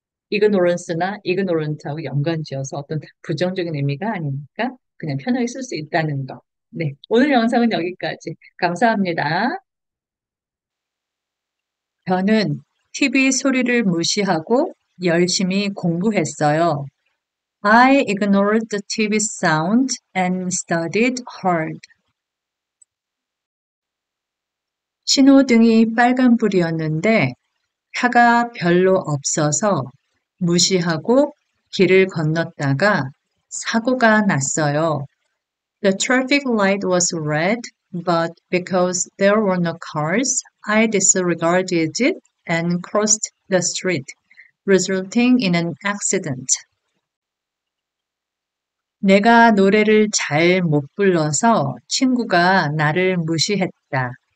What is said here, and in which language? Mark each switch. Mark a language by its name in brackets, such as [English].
[Korean] ignorance나 ignorant하고 연관 지어서 어떤 부정적인 의미가 아니니까 그냥 편하게 쓸수 있다는 거. 네. 오늘 영상은 여기까지. 감사합니다. 저는 TV 소리를 무시하고 열심히 공부했어요. [English] I ignored the TV sound and studied hard. [Korean] 신호등이 빨간 불이었는데 차가 별로 없어서 무시하고 길을 건넜다가 사고가 났어요. [English] The traffic light was red, but because there were no cars, I disregarded it and crossed the street, resulting in an accident. [Korean] 내가 노래를 잘못 불러서 친구가 나를 무시했다.